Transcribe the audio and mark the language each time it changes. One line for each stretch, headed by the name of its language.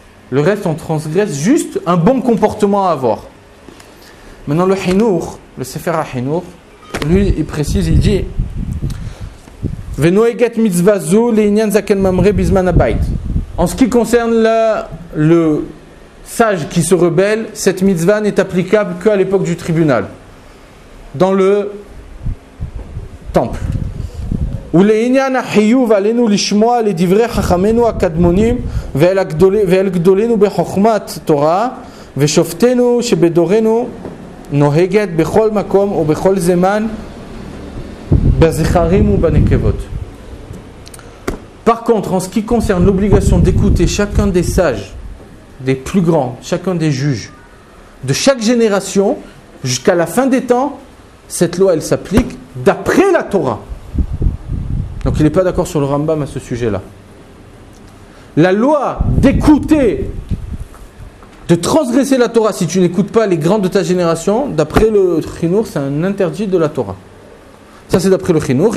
French: Le reste, on transgresse juste un bon comportement à avoir. Maintenant, le Hinour, le Sefer HaHinour, lui, il précise, il dit «
Hebrew: Venoeget mitzvah zu leinyan zaken mamre bizman abayit
French: » En ce qui concerne le sage qui se rebelle, cette mitzvah n'est applicable qu'à l'époque du tribunal, dans le temple.
Hebrew: ולעניין החיוב עלינו לשמוע לדברי חכמנו הקדמונים ואל גדולנו בחוכמת תורה ושופטנו שבדורנו נוהגת בכל מקום ובכל זמן בזכרים ובנקבות.
French: Par contre, en ce qui concerne l'obligation d'écouter chacun des sages, des plus grands, chacun des juges, de chaque génération, jusqu'à la fin des temps, cette loi, elle s'applique d'après la Torah. Donc, il n'est pas d'accord sur le Rambam à ce sujet-là. La loi d'écouter, de transgresser la Torah, si tu n'écoutes pas les grands de ta génération, d'après le Chinour, c'est un interdit de la Torah. Ça, c'est d'après le Chinour.